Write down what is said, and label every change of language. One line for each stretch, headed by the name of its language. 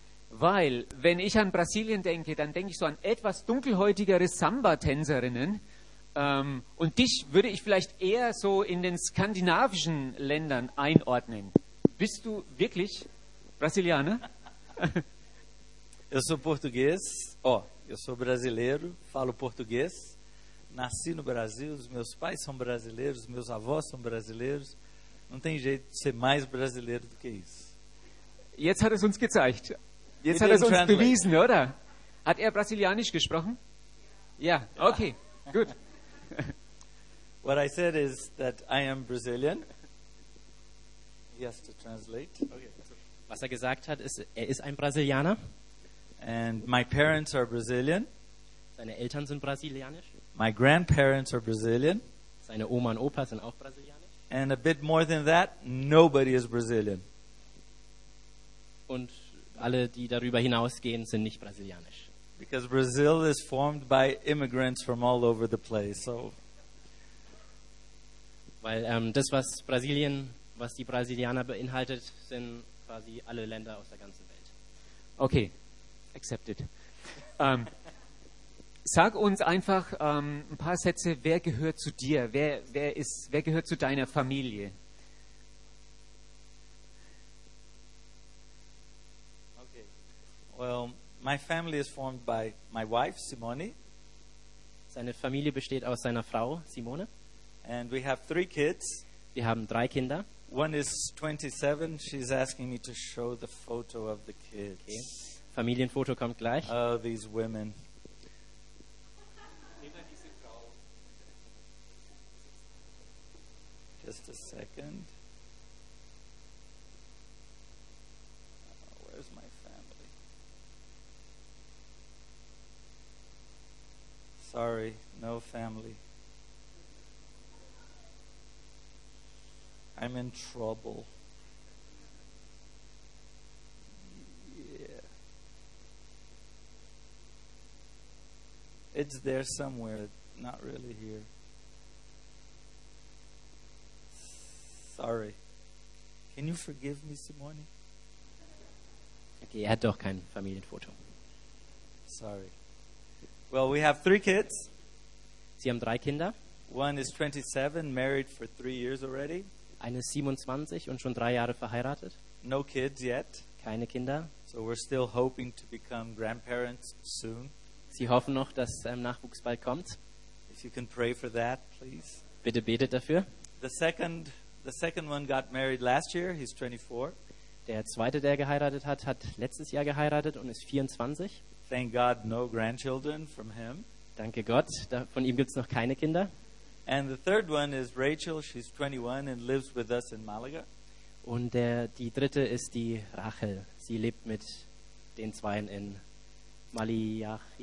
German: Weil, wenn ich an Brasilien denke, dann denke ich so an etwas dunkelhäutigere Samba-Tänzerinnen. Und dich würde ich vielleicht eher so in den skandinavischen Ländern einordnen. Bist du wirklich Brasilianer?
Portuguese: Eu sou português, ó, eu sou brasileiro, falo português, nasci no Brasil, os meus pais são brasileiros, meus avós são brasileiros, não tem jeito de ser mais brasileiro do que isso.
German: Jetzt hat uns gezeigt. Jetzt hat uns bewiesen, oder? Hat brasilianisch gesprochen?
English: Ja, yeah. Okay, good. What I said is that I am Brazilian. He has to translate. Okay.
German: Was gesagt hat, ist, ist ein Brasilianer.
English: And my parents are Brazilian.
German: Seine Eltern sind brasilianisch.
English: My grandparents are Brazilian.
German: Seine Oma und Opa sind auch brasilianisch.
English: And a bit more than that, nobody is Brazilian.
German: Und alle, die darüber hinausgehen, sind nicht brasilianisch.
English: Because Brazil is formed by immigrants from all over the place. So.
German: Weil das, was Brasilien, was die Brasilianer beinhaltet, sind quasi alle Länder aus der ganzen Welt.
English: Okay. Accepted.
German: Sag uns einfach ein paar Sätze, wer gehört zu dir? Wer gehört zu deiner Familie? Okay.
English: Well, my family is formed by my wife, Simone.
German: Seine Familie besteht aus seiner Frau, Simone.
English: And we have three kids.
German: Wir haben drei Kinder.
English: One is 27. She's asking me to show the photo of the kids. Okay.
German: Familienfoto kommt gleich.
English: Oh, these women. Just a second. Where's my family? Sorry, no family. I'm in trouble. It's there somewhere, not really here. Sorry. Can you forgive me, Simone?
German: Okay, er hat doch kein Familienfoto.
English: Sorry. Well, we have three kids.
German: Sie haben drei Kinder.
English: One is 27, married for 3 years already.
German: Eine ist 27 und schon 3 Jahre verheiratet.
English: No kids yet.
German: Keine Kinder.
English: So we're still hoping to become grandparents soon.
German: Sie hoffen noch, dass Nachwuchs bald kommt.
English: If you can pray for that, please.
German: Bitte betet dafür.
English: The second one got married last year. He's 24.
German: Der zweite, der geheiratet hat, hat letztes Jahr geheiratet und ist 24.
English: Thank God, no grandchildren from him.
German: Danke Gott, von ihm gibt's noch keine Kinder.
English: And the third one is Rachel. She's 21 and lives with us in Malaga.
German: Und die dritte ist die Rachel. Sie lebt mit den zwei in Malaga.